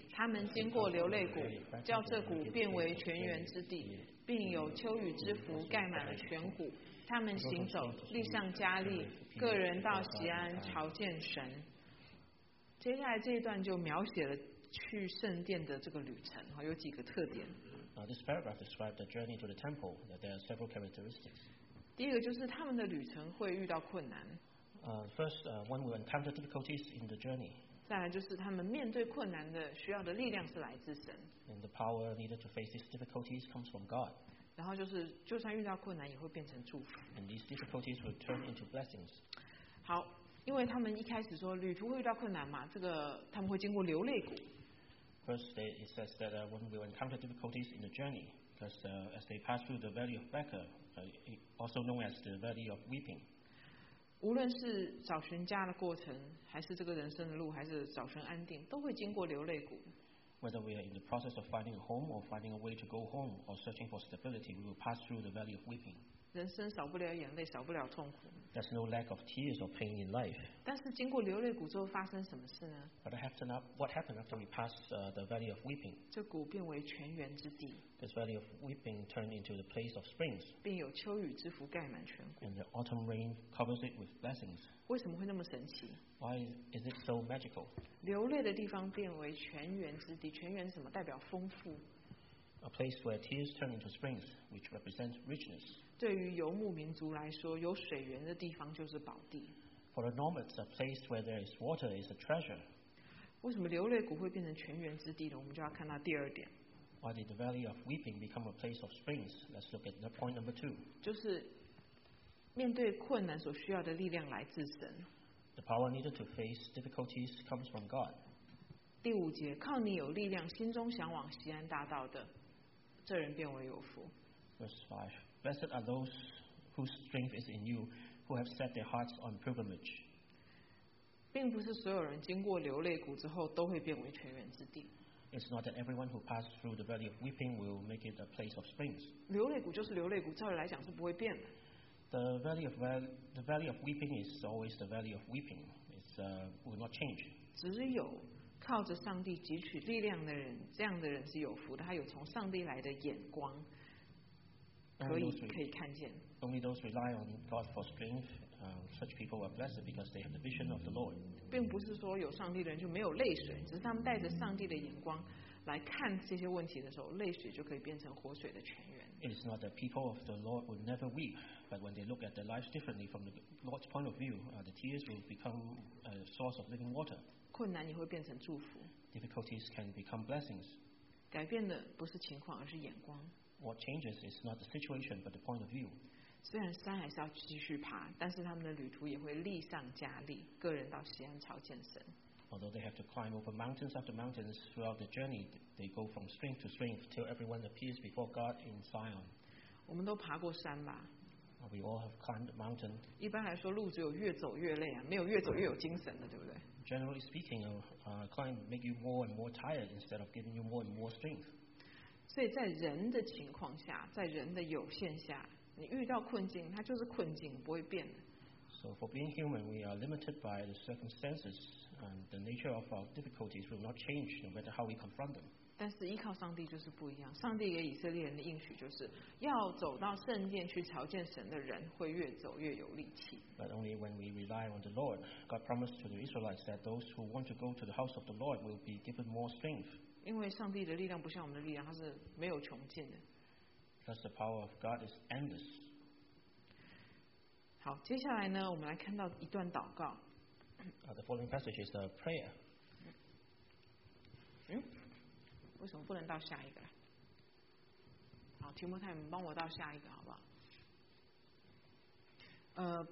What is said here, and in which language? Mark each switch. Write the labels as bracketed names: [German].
[Chinese] 他们经过流泪谷，叫这谷变为泉源之地，并有秋雨之福盖满了泉谷。他们行走，立上加利，个人到锡安朝见神。接下来这一段就描写了去圣殿的这个旅程，有几个特点。 [English] This paragraph describes the journey to the temple. There are several characteristics. [Chinese] 第一个就是他们的旅程会遇到困难。 [English] First, one will encounter difficulties in the journey. [Chinese] 再来就是他们面对困难的需要的力量是来自神。 [English] And the power needed to face these difficulties comes from God. [Chinese] 然后就是就算遇到困难也会变成祝福。 [English] And these difficulties will turn into blessings. [Chinese] 好，因为他们一开始说旅途会遇到困难嘛，这个他们会经过流泪谷。 [English] First, it says that when we encounter difficulties in the journey, because as they pass through the valley of Baca, also known as the valley of weeping. [Chinese] 无论是找寻家的过程，还是这个人生的路，还是找寻安定，都会经过流泪谷。 [English] Whether we are in the process of finding a home or finding a way to go home or searching for stability, we will pass through the valley of weeping. [Chinese] 人生少不了眼泪，少不了痛苦。 [English] There's no lack of tears or pain in life. [Chinese] 但是经过流泪谷之后发生什么事呢？ [English] But what happened after we passed the valley of weeping? [Chinese] 这谷变为泉源之地。 [English] This valley of weeping turned into the place of springs. [Chinese] 并有秋雨之福盖满全谷。 [English] And the autumn rain covers it with blessings. [Chinese] 为什么会那么神奇？ [English] Why is it so magical? [Chinese] 流泪的地方变为泉源之地。泉源什么？代表丰富。 [English] A place where tears turn into springs, which represents richness. [Chinese] 对于游牧民族来说，有水源的地方就是宝地。 [English] For the nomads, a place where there is water is a treasure. [Chinese] 为什么流泪谷会变成泉源之地呢？我们就要看到第二点。 [English] Why did the valley of weeping become a place of springs? Let's look at the point number two. [Chinese] 就是面对困难所需要的力量来自神。 [English] The power needed to face difficulties comes from God. [Chinese] 第五节，靠你有力量，心中向往锡安大道的。这人变为有福。 [English] Verse 5. Blessed are those whose strength is in you, who have set their hearts on pilgrimage. [Chinese] 并不是所有人经过流泪谷之后都会变为泉源之地。 [English] It's not that everyone who passed through the valley of weeping will make it a place of springs. [Chinese] 流泪谷就是流泪谷，照理来讲是不会变的。 [English] The valley of weeping is always the valley of weeping. It will not change. [Chinese] 只有靠着上帝汲取力量的人，这样的人是有福的，他有从上帝来的眼光，可以看见。 [English] Only those rely on God for strength, such people are blessed because they have the vision of the Lord. [Chinese] 并不是说有上帝的人就没有泪水，只是他们带着上帝的眼光来看这些问题的时候，泪水就可以变成活水的泉源。 [English] It is not that people of the Lord would never weep, but when they look at their lives differently from the Lord's point of view, the tears will become a source of living water. [Chinese] 困难也会变成祝福。 [English] Difficulties can become blessings. [Chinese] 改变的不是情况，而是眼光。 [English] What changes is not the situation, but the point of view. [Chinese] 虽然山还是要继续爬，但是他们的旅途也会力上加力，个人到锡安朝见神。 [English] Although they have to climb over mountains after mountains throughout the journey, they go from strength to strength till everyone appears before God in Zion. [Chinese] 我们都爬过山吧。 [English] We all have climbed mountain. [Chinese] 一般来说，路只有越走越累啊，没有越走越有精神的，对不对？ [English] Generally speaking, a climb make you more and more tired instead of giving you more and more strength. [Chinese] 所以在人的情况下，在人的有限下，你遇到困境，它就是困境，不会变的。 [English] So for being human, we are limited by the circumstances, and the nature of our difficulties will not change, no matter how we confront them. [Chinese] 但是依靠上帝就是不一样。上帝给以色列人的应许就是，要走到圣殿去朝见神的人，会越走越有力气。 [English] But only when we rely on the Lord, God promised to the Israelites that those who want to go to the house of the Lord will be given more strength. [Chinese] 因为上帝的力量不像我们的力量，它是没有穷尽的。 [English] Because the power of God is endless. [Chinese] 好，接下来呢，我们来看到一段祷告。 [English] The following passage is a prayer. [Chinese] 嗯，为什么不能到下一个？好，提摩太，你帮我到下一个好不好？